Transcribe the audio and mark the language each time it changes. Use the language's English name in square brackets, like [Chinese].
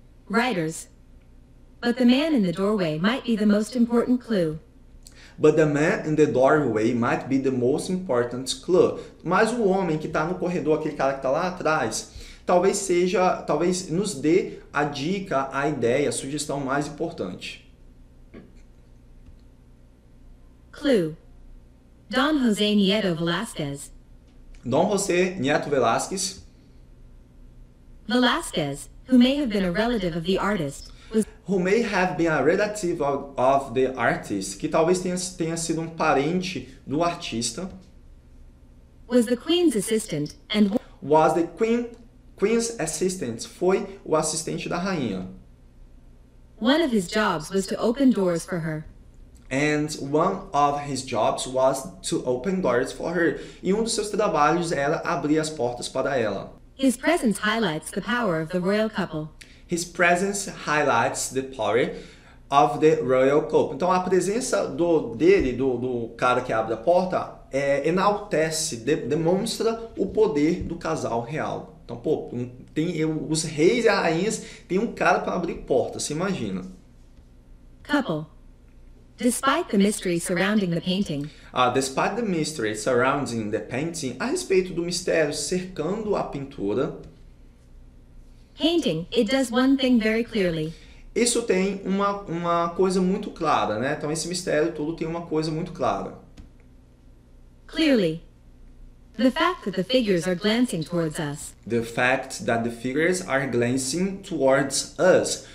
[English] Writers. But the man in the doorway might be the most important clue. But the man in the doorway might be the most important clue. [Portuguese] Mas o homem que está no corredor, aquele cara que está lá atrás, talvez seja, talvez nos dê a dica, a ideia, a sugestão mais importante. [English] Clue. Don José Nieto Velázquez. Don José Nieto Velázquez. Velázquez, who may have been a relative of the artist. Who may have been a relative of the artist, [Portuguese] que talvez tenha sido um parente do artista. [English] Was the queen's assistant and was the queen's assistant, [Portuguese] foi o assistente da rainha. [English] One of his jobs was to open doors for her. And one of his jobs was to open doors for her. [Portuguese] E um dos seus trabalhos era abrir as portas para ela. [English] His presence highlights the power of the royal couple. His presence highlights the power of the royal couple. [Portuguese] Então, a presença do cara que abre a porta enaltece, demonstra o poder do casal real. Então, pô, tem os reis e as rainhas, tem um cara para abrir porta, você imagina. [English] Couple. Despite the mystery surrounding the painting. Despite the mystery surrounding the painting, [Portuguese] a respeito do mistério cercando a pintura. [English] Painting, it does one thing very clearly. [Portuguese] Isso tem uma coisa muito clara, né? Então, esse mistério todo tem uma coisa muito clara. [English] Clearly. The fact that the figures are glancing towards us. The fact that the figures are glancing towards us.